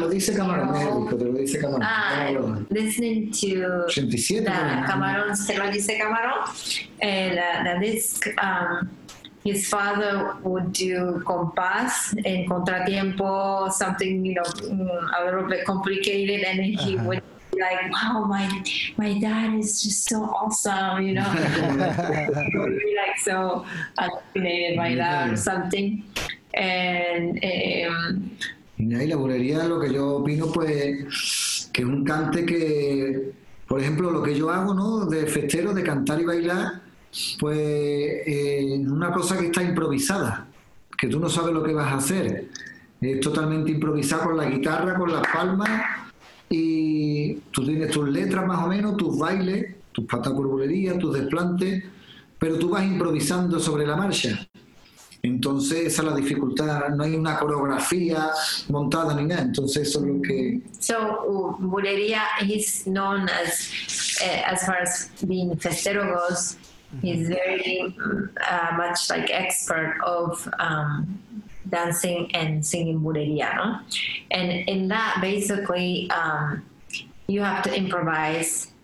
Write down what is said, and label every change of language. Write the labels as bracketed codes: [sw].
[es] Te lo dice Camarón, te lo dice Camarón. [en] Ah, listening to 87, [es] the Camarón, se lo dice Camarón. [en] The disc, his father would do [es] compás en contratiempo, [en] something, you know, a little bit complicated, and he would like, wow, my dad is just so awesome, you know. Be like so fascinated by that or something. And [es] y la Bulería, lo que yo opino, pues, que es un cante que, por ejemplo, lo que yo hago, ¿no? De festero, de cantar y bailar, pues, una cosa que está improvisada, que tú no sabes lo que vas a hacer. Es totalmente improvisado con la guitarra, con las palmas. y tú tienes tus letras más o menos, tus bailes, tus patas curvulerías, tus desplantes, pero tú vas improvisando sobre la marcha. Entonces esa es la dificultad, no hay una coreografía montada ni nada, entonces eso es lo que... [en] So, bulería is known as far as being festero goes, he's very much like expert of dancing and singing bulería, no? And in that, basically, you have to improvise.